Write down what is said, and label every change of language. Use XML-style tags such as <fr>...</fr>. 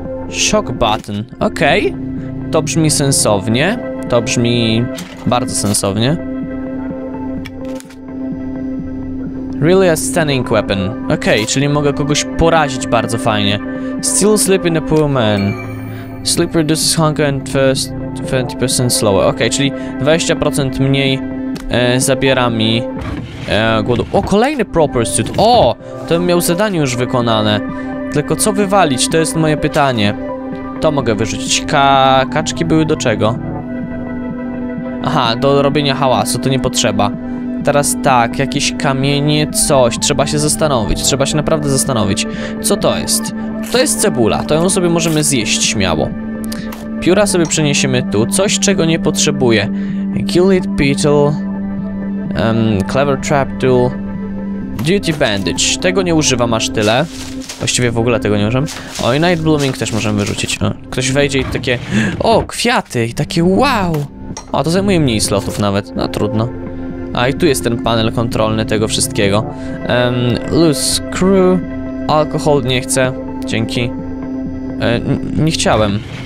<pl>Shock button. Okej. To brzmi sensownie. To brzmi bardzo sensownie.</pl> <en>Really a stunning weapon.</en> <pl>Okej, czyli mogę kogoś porazić bardzo fajnie.</pl> <en>Still sleeping a poor man. Sleep reduces hunger and thirst 20% slower.</en> <pl>Okej, czyli 20% mniej zabiera mi głodu. O, kolejny proper suit. O, to bym miał zadanie już wykonane. Tylko co wywalić? To jest moje pytanie. To mogę wyrzucić. Kaczki były do czego? Aha, do robienia hałasu, to nie potrzeba. Teraz tak, jakieś kamienie, coś. Trzeba się zastanowić, trzeba się naprawdę zastanowić. Co to jest? To jest cebula, to ją sobie możemy zjeść śmiało. Pióra sobie przeniesiemy tu. Coś, czego nie potrzebuję.</pl> <en>Gilded beetle. Clever trap tool.</en> <pl>Duty Bandage. Tego nie używam aż tyle. Właściwie w ogóle tego nie używam. O, i Night Blooming też możemy wyrzucić. O, ktoś wejdzie i takie... O, kwiaty! I takie wow! O, to zajmuje mniej slotów nawet. No, trudno. A, i tu jest ten panel kontrolny tego wszystkiego. Loose Crew. Alkohol nie chcę. Dzięki. Nie chciałem.</pl>